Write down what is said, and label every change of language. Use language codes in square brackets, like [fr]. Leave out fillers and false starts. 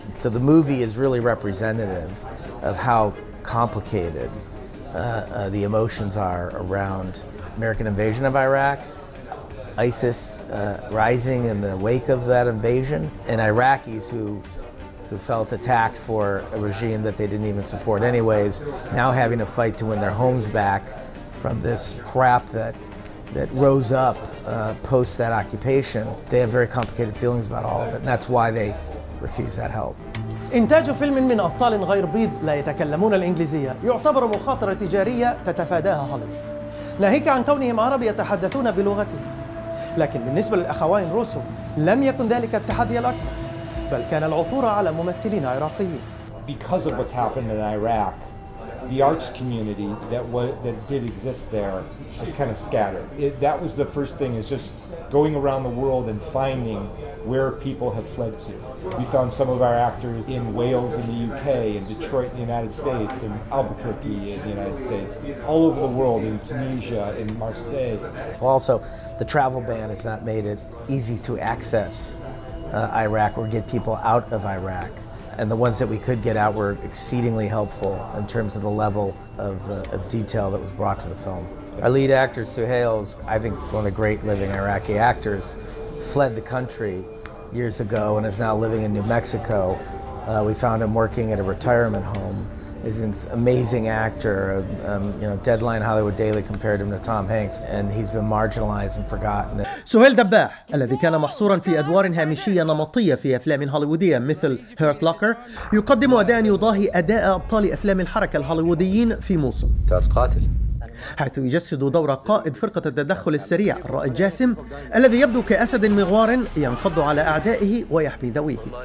[en] So the movie is really representative of how complicated the emotions are around American invasion of Iraq, ISIS rising in the wake of that invasion, and Iraqis who felt attacked for a regime that they didn't even support anyways, now having to fight to win their homes back from this crap that rose up post that occupation. They have very complicated feelings about all of it, and that's why they refuse that help. [ar] إنتاج فيلم من أبطال غير بيض لا يتكلمون الإنجليزية يعتبر مخاطرة تجارية تتفاداها هوليوود، ناهيك عن كونهم عرب يتحدثون بلغتهم. لكن بالنسبة للأخوين روسو لم يكن ذلك التحدي الأكبر، بل كان العثور على ممثلين عراقيين. [en] Because of what's happened in Iraq, the arts community that did exist there is kind of scattered. That was the first thing, is just going around the world and finding where people have fled to. We found some of our actors in Wales in the UK, in Detroit in the United States, in Albuquerque in the United States, all over the world, in Tunisia, in Marseille. Also, the travel ban has not made it easy to access Iraq or get people out of Iraq. And the ones that we could get out were exceedingly helpful in terms of the level of detail that was brought to the film. Our lead actor, Suhail, I think one of the great living Iraqi actors, fled the country years ago and is now living in New Mexico. We found him working at a retirement home. He's an amazing actor. You know, Deadline Hollywood Daily compared him to Tom Hanks, and he's been marginalized and forgotten. [ar] سهيل دباح الذي كان محصورا في أدوار هامشية نمطية في أفلام هوليوودية مثل Hurt Locker يقدم أداء يضاهي أداء أبطال أفلام الحركة الهوليووديين في موسم. تعرف قاتل؟ حيث يجسد دور قائد فرقة التدخل السريع الرائد جاسم الذي يبدو كأسد مغوار ينقض على أعدائه ويحمي ذويه.